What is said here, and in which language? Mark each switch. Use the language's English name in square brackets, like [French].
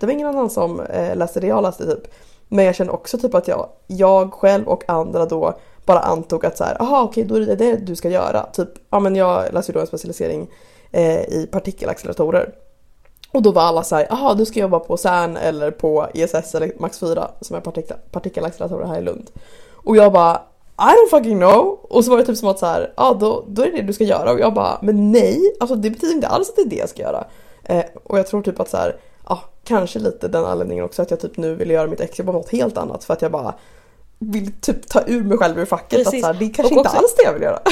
[Swedish] Det var ingen annan som läste det jag läste typ. Men jag kände också typ att jag själv och andra då bara antog att så här, aha, okej, då är det du ska göra. Typ, ja men jag läste ju då en specialisering i partikelacceleratorer. Och då var alla så här, aha, du ska jobba på CERN eller på ESS eller Max 4 som är partikelacceleratorer här i Lund. Och jag bara, [English] I don't fucking know. [Swedish] Och så var det typ som att så här, då är det du ska göra. Och jag bara, men nej, alltså det betyder inte alls att det är det jag ska göra. Och jag tror typ att så här, kanske lite den anledningen också att jag typ nu vill göra mitt exjobb på något helt annat. För att jag bara vill typ ta ur mig själv ur facket. Precis. Att så här, det är kanske också, inte alls det jag vill göra.